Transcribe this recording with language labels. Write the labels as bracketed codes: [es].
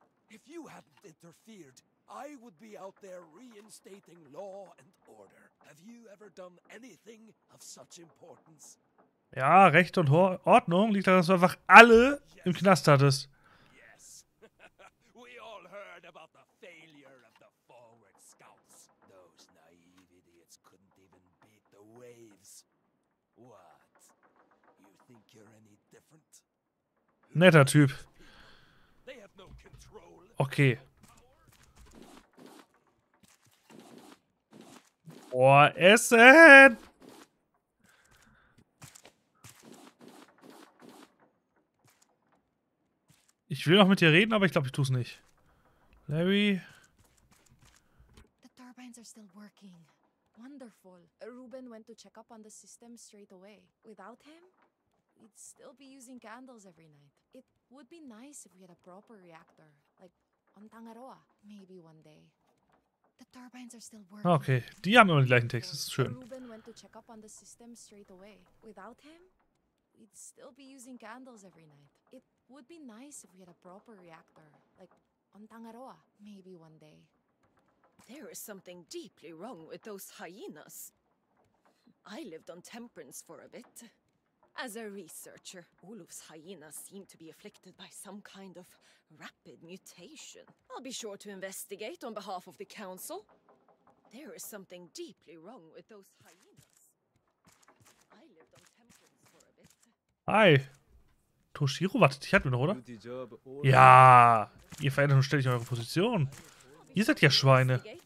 [en] If you hadn't interfered, I would be out there reinstating law and order. Have you ever done anything of such importance? [de] Ja, Recht und Ordnung liegt daran, dass du einfach alle im Knast hattest. [en] Yes. We all heard about the failure of the forward scouts. Those naive idiots couldn't even beat the waves. What? You think you're any different? [de] Netter Typ. [en] They have no control. Okay. [de] Boah, Essen! Ich will noch mit dir reden, aber ich glaube, ich tue es nicht. [en] Larry? The turbines are still working. Wonderful. Ruben went to check up on the system straight away. Without him, we'd still be using candles every night. It would be nice if we had a proper reactor. Like on Tangaroa. Maybe one day. The turbines are still working. [de] Okay, die haben immer den gleichen Text, das ist schön. [en] Ruben went to check up on the system straight away. Without him, we'd still be using candles every night. It would be nice if we had a proper reactor, like on Tangaroa, maybe one day. There is something deeply wrong with those hyenas. I lived on Temperance for a bit. As a researcher, Uluf's hyenas seem to be afflicted by some kind of rapid mutation. I'll be sure to investigate on behalf of the council. There is something deeply wrong with those hyenas. I lived on Temperance for a bit. Hi. [de] Toshiro wartet, ich hatte mir noch, oder? Ja, ihr verändert und stellt euch eure Position. Ihr seid ja Schweine.